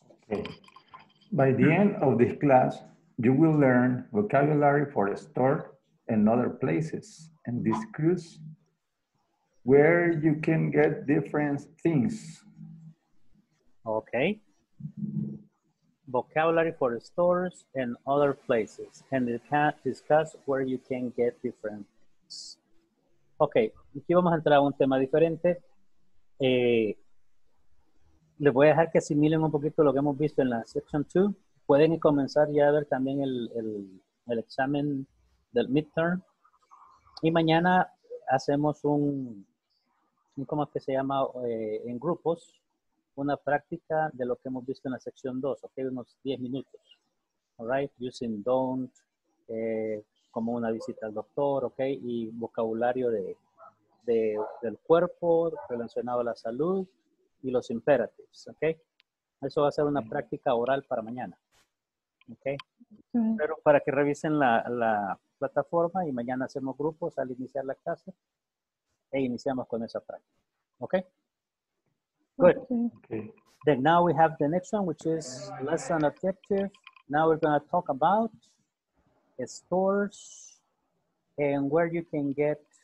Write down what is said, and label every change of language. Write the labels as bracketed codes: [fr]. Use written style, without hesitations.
[en] Okay, by the end of this class, you will learn vocabulary for a store and other places, and this cruise where you can get different things. Okay, vocabulary for the stores and other places, and it can discuss where you can get different things. [es] Okay, aquí vamos a entrar a un tema diferente. Les voy a dejar que asimilen un poquito lo que hemos visto en la section 2. Pueden comenzar ya a ver también el examen del midterm. Y mañana hacemos un ¿cómo es que se llama? En grupos. Una práctica de lo que hemos visto en la sección 2, ok, unos 10 minutos, alright, using don't, como una visita al doctor, ok, y vocabulario del cuerpo relacionado a la salud y los imperatives, ok, eso va a ser una práctica oral para mañana, ok, pero para que revisen la plataforma y mañana hacemos grupos al iniciar la clase e iniciamos con esa práctica, ok. [en] Good. Okay. Then now we have the next one, which is lesson objective. Now we're going to talk about stores and where you can get